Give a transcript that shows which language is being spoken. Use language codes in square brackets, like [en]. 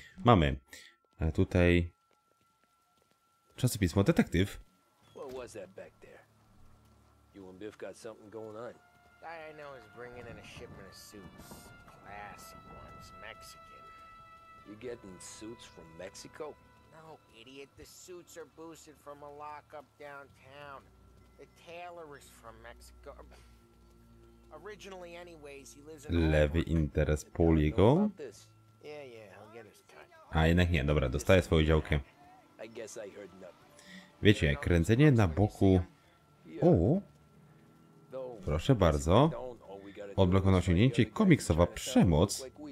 [pl] Mamy tutaj czasopismo Detektyw. [en] What was that back there? You and Biff got something going on. Guy I know is bringing in a shipment of suits. Classy ones. Mexican. You getting suits from Mexico? No, idiot. The suits are boosted from a lockup downtown. The tailor is from Mexico. Originally, anyways, he lives in... [pl] Lewy interes Pauliego? [en] Yeah, yeah, I'll get his cut. [pl] A jednak nie, dobra, dostaje swoją działkę. [en] I guess I heard nothing. [pl] Wiecie, kręcenie na boku... O! Proszę bardzo. Odblokowano osiągnięcie, komiksowa przemoc.